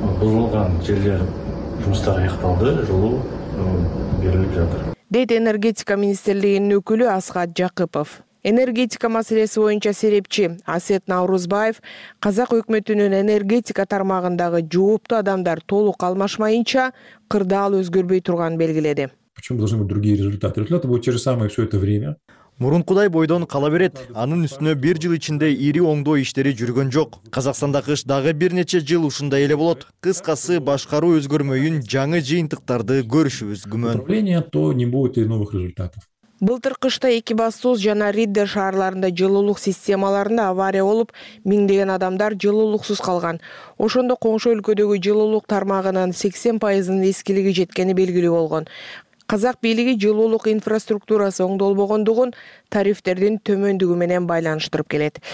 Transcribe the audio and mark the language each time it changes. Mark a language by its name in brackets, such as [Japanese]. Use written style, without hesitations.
[Kyrgyz] Бузулган жерлер жумуштар аякталды, жылуу берилип жатыр. Дейт энергетика министрлигинин өкүлү Асхат Жакыпов. Энергетика маселеси боюнча серепчи Асет Наурузбаев казак өкмөтүнүн энергетика тармагындагы жооптуу адамдар толук алмашмайынча кырдаал өзгөрбөй турганын белгиледи. [Russian] Почему должны быть другие результаты? Результаты будут те же самые все это время. [Kyrgyz] Мурункудай бойдон кала берет. Анын үстүнө бир жыл ичинде ири оңдоо иштери жүргөн жок. Казакстанда кыш дагы бир нече жыл ушундай эле болот. Кыскасы башкаруу өзгөрмөйүн жаңы жыйынтыктарды көрүшүбүз күмөн. [Russian] Управление, то не будет и новых результатов. [Kyrgyz] Былтыр кышта эки басуз жана Риддер шаарларында жылуулук системаларында авария болуп, миңдеген адамдар жылуулуксуз калган. Ошондо коңшу өлкөдөгү жылуулук тармагынын 80% эскилиги жеткени белгилүү болгон. Казак бийлиги жылуулук инфраструктурасы оңдолбогондугун тарифтердин төмөндүгү менен байланыштырып келет.